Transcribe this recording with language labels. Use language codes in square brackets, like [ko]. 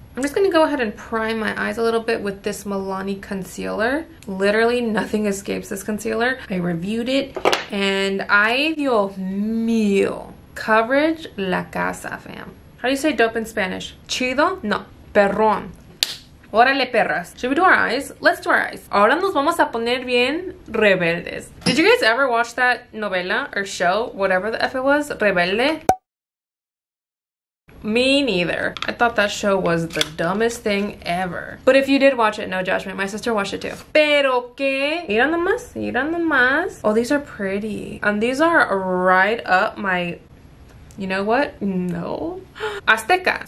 [en] I'm just gonna go ahead and prime my eyes a little bit with this Milani concealer. Literally nothing escapes this concealer. I reviewed it. [es] And ay, Dios mío. Coverage la casa, fam. [en] How do you say dope in Spanish? [es] Chido? No. Perrón. Órale, perras. [en] Should we do our eyes? Let's do our eyes. [es] Ahora nos vamos a poner bien rebeldes. [en] Did you guys ever watch that novela or show? Whatever the F it was. Rebelde? Me neither. I thought that show was the dumbest thing ever. But if you did watch it, no judgment. My sister watched it too. [es] Pero qué? Mira nomás. [en] Oh, these are pretty. And these are right up my... You know what? No. Azteca.